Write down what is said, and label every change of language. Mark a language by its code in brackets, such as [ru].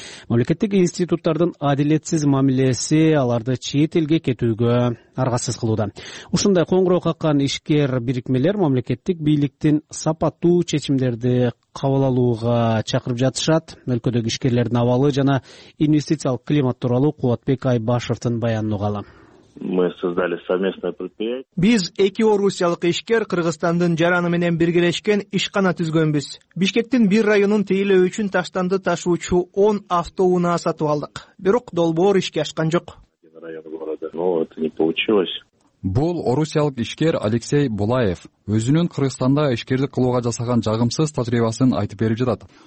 [ky] Мамлекеттик институттардын адилетсиз мамилеси аларды чет элге кетүүгө аргасыз кылууда. Ушундай коңгуроо каккан ишкер бирикмелер мамлекеттик бийликтин сапаттуу чечимдерди кабыл алууга чакырып жатышат. Өлкөдөгү ишкерлердин абалы жана инвестициялык климат тууралуу Кубатбек Айбашевдин баянын угалы. [ru] Мы создали совместное предприятие. [ky] Биз эки орусиялык ишкер Кыргызстандын жараны менен биргелешкен ишкана түзгөнбүз. Бишкектин бир районун тейлөө үчүн таштанды ташуучу 10 автоунаа сатып алдык. Бирок долбоор ишке ашкан жок. Бул орусиялык ишкер Алексей Булаев өзүнүн Кыргызстанда ишкерлик кылууга жасаган жагымсыз тажрыйбасын айтып берип жатат.